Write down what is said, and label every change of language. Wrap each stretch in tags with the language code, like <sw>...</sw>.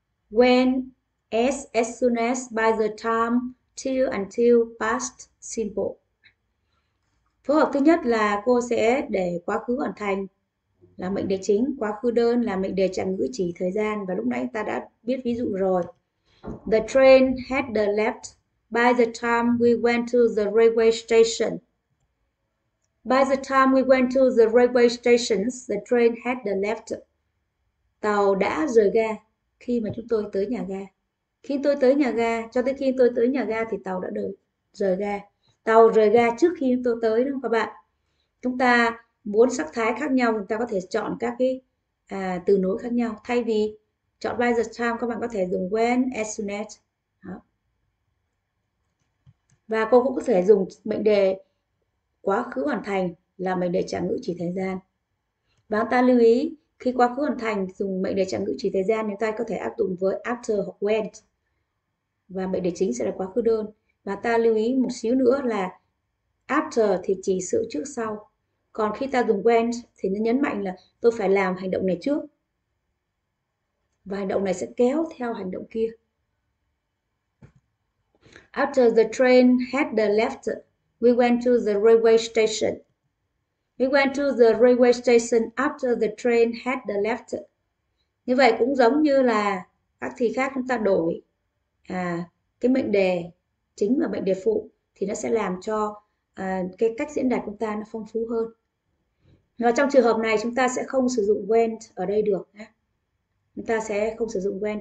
<en>When, as soon as, by the time, till, until, past simple.</en> <vi>Phối hợp thứ nhất là cô sẽ để quá khứ hoàn thành là mệnh đề chính, quá khứ đơn là mệnh đề trạng ngữ chỉ thời gian, và lúc nãy ta đã biết ví dụ rồi.</vi> <en>The train had left by the time we went to the railway station. By the time we went to the railway stations, the train had left.</en> <vi>Tàu đã rời ga khi mà chúng tôi tới nhà ga. Khi tôi tới nhà ga, cho tới khi tôi tới nhà ga thì tàu đã rời ga. Tàu rời ga trước khi tôi tới, đúng không các bạn? Chúng ta muốn sắc thái khác nhau, chúng ta có thể chọn các cái từ nối khác nhau. Thay vì chọn by the time, các bạn có thể dùng when, as soon as. Đó. Và cô cũng có thể dùng mệnh đề quá khứ hoàn thành là mệnh đề trạng ngữ chỉ thời gian. Và chúng ta lưu ý, khi quá khứ hoàn thành dùng mệnh đề trạng ngữ chỉ thời gian, chúng ta có thể áp dụng với after hoặc when. Và mệnh đề chính sẽ là quá khứ đơn. Và ta lưu ý một xíu nữa là after thì chỉ sự trước sau. Còn khi ta dùng went thì nó nhấn mạnh là tôi phải làm hành động này trước. Và hành động này sẽ kéo theo hành động kia.</vi> <en>After the train had left, we went to the railway station. We went to the railway station after the train had left.</en> <vi>Như vậy cũng giống như là các thì khác, chúng ta đổi cái mệnh đề chính và mệnh đề phụ thì nó sẽ làm cho cái cách diễn đạt của chúng ta nó phong phú hơn. Và trong trường hợp này chúng ta sẽ không sử dụng when ở đây được. Chúng ta sẽ không sử dụng when.</vi>